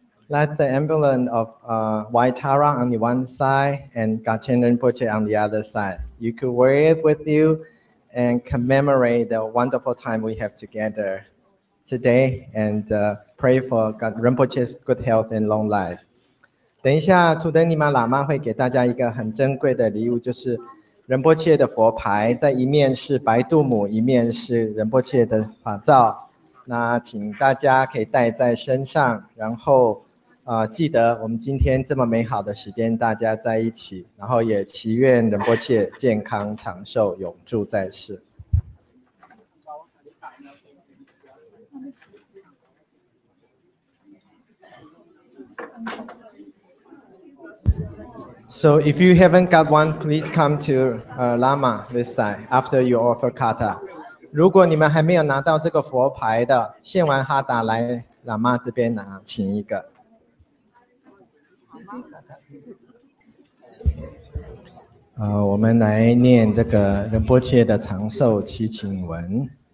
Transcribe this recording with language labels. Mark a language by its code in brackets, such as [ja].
[en] That's the emblem of Waitara on the one side and Garchen Rinpoche on the other side. You could wear it with you and commemorate the wonderful time we have together today and pray for God, Rinpoche's good health and long life. [zh] 等一下 Tuting Nima Lama 会给大家一个很珍贵的礼物，就是仁波切的佛牌，在一面是白杜姆，一面是仁波切的法照，那请大家可以带在身上，然后记得我们今天这么美好的时间大家在一起，然后也祈愿仁波切健康长寿永驻在世。 [en] So if you haven't got one, please come to Lama this side after you offer kata. [zh] 如果你们还没有拿到这个佛牌的，献完哈达来喇嘛这边拿，请一个。我们来念这个仁波切的长寿祈请文。